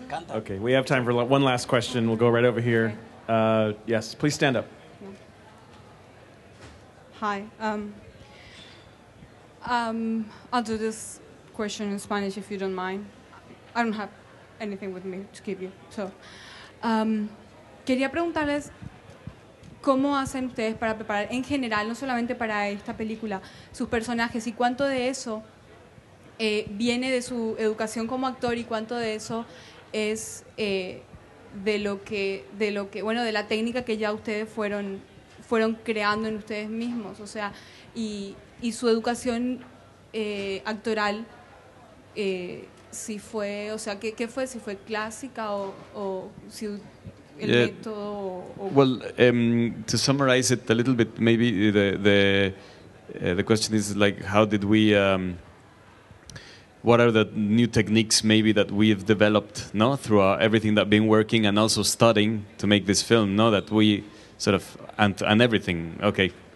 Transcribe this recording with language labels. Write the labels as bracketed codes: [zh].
[en] Okay, we have time for one last question. We'll go right over here. Yes, please stand up. Hi. I'll do this question in Spanish if you don't mind. I don't have anything with me to give you. [es] So, quería preguntarles cómo hacen ustedes para preparar en general, no solamente para esta película, sus personajes, y cuánto de eso viene de su educación como actor y cuánto de eso es de lo que bueno, de la técnica que ya ustedes fueron creando en ustedes mismos, o sea, y su educación actoral, si fue, o sea, qué fue, si fue clásica o si el método [en] Well, to summarize it a little bit, maybe the question is like, how did we what are the new techniques maybe that we've developed, no, throughout everything that been working and also studying to make this film, no, that we sort of and everything. Okay.